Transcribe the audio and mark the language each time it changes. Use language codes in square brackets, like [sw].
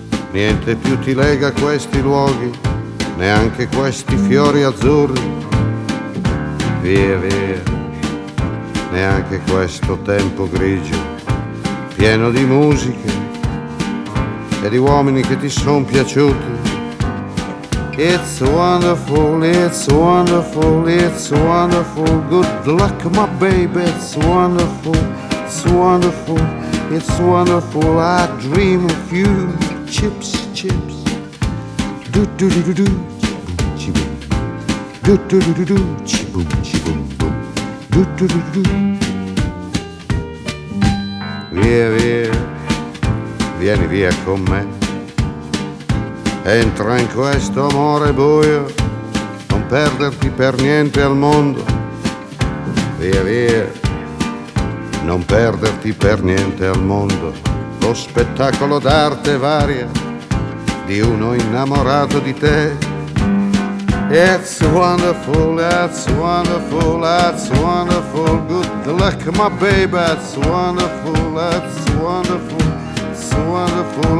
[it] Niente più ti lega a questi luoghi, neanche questi fiori azzurri. Via, via, neanche questo tempo grigio, pieno di musiche e di uomini che ti sono piaciuti. [en] It's wonderful, it's wonderful, it's wonderful. Good luck, my baby, it's wonderful, it's wonderful, it's wonderful. I dream of you, chips, chips. Do do do do do, chibum chibum. Do do do do do, chibum chibum boom. Do do do do do. [it] Via via, vieni via con me. Entra in questo amore buio, non perderti per niente al mondo. Via via, non perderti per niente al mondo. Lo spettacolo d'arte varia di uno innamorato di te. [en] It's wonderful, that's wonderful, that's wonderful. Good luck, my baby, that's wonderful, that's wonderful, it's wonderful.